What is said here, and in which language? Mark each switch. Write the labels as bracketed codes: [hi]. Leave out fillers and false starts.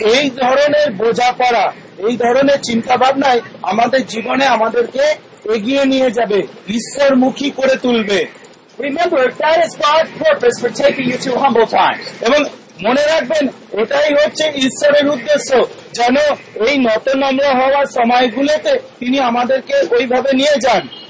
[bn] এই ধরনের বোঝাপড়া এই ধরনের চিন্তা ভাবনায় আমাদের জীবনে আমাদেরকে এগিয়ে নিয়ে যাবে, ঈশ্বরমুখী করে তুলবে। [en] Remember, that is God's purpose for taking you through humble times. [bn] এবং মনে রাখবেন এটাই হচ্ছে ঈশ্বরের উদ্দেশ্য যেন এই নত নম্র হওয়ার সময়গুলোতে তিনি আমাদেরকে ওইভাবে নিয়ে যান।